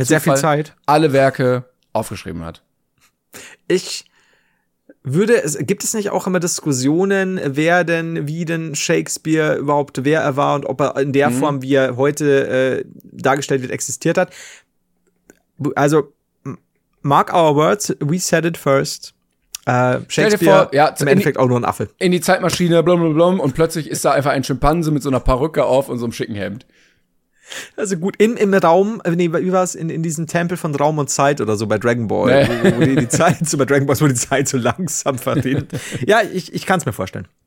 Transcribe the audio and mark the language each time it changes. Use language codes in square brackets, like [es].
[de] Zufall sehr viel Zeit alle Werke aufgeschrieben hat? Gibt es nicht auch immer Diskussionen, wie denn Shakespeare überhaupt, wer er war und ob er in der Form, wie er heute dargestellt wird, existiert hat? [en] Also, mark our words, we said it first. [de] Shakespeare, im Endeffekt auch nur ein Affe. In die Zeitmaschine, blum, und plötzlich ist da einfach ein Schimpanse mit so einer Perücke auf und so einem schicken Hemd. Also gut, im Raum, nee, wie war es, in diesem Tempel von Raum und Zeit oder so bei Dragon Ball, nee. wo die Zeit so langsam verdient. Ja, ich kann es mir vorstellen.